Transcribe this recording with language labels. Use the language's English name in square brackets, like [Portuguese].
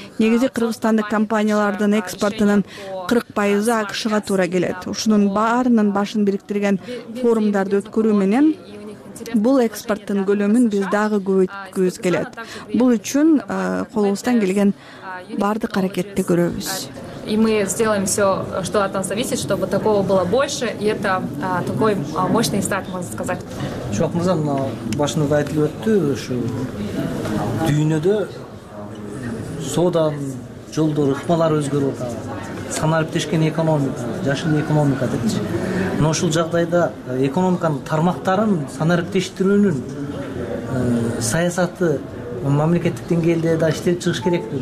[Kyrgyz] Негизи кыргызстандык компаниялардын экспортунун 40% АКШ-га туура келет. Ушунун баарынын башын бириктирген форумдарды өткөрүү менен бул экспорттун көлөмүн биз дагы көбөйткүбүз келет. Бул үчүн колубуздан келген бардык аракетти көрөбүз. [Russian] И мы сделаем все, что от нас зависит, чтобы такого было больше. И это такой мощный старт, можно сказать. [Kyrgyz] Шавкат Мырза, башында айтылып өттү, ушу дүйнөдө соодан жолдор, ыкмалар өзгөрүп атат. Санариптешкен экономика, жашыл экономика депчи. Мына ушул жагдайда экономиканын тармактарын санариптештирүүнүн саясаты мамлекеттик деңгээлде да иштеп чыгыш керекпи?